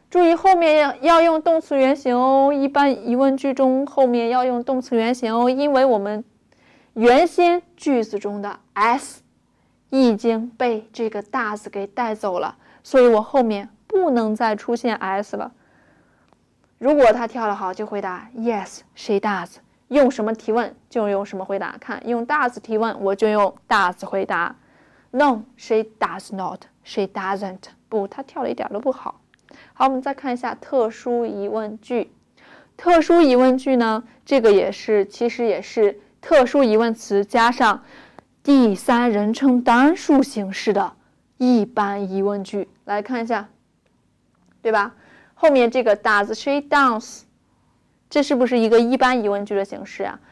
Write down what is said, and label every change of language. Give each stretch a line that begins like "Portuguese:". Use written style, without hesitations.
Chinese: 注意后面要用动词原形哦，一般疑问句中后面要用动词原形哦，因为我们原先句子中的 s 已经被这个 does 给带走了，所以我后面不能再出现 s 了。如果他跳得好，就回答
English: yes, she does。
Chinese: 用什么提问就用什么回答，看用 does 提问我就用 does 回答。
English: No, she does not, she doesn't。
Chinese: 不，她跳了一点都不好。好，我们再看一下特殊疑问句。特殊疑问句呢，这个也是，其实也是特殊疑问词加上第三人称单数形式的一般疑问句。来看一下，对吧，后面这个
English: does she dance,
Chinese: 这是不是一个一般疑问句的形式啊？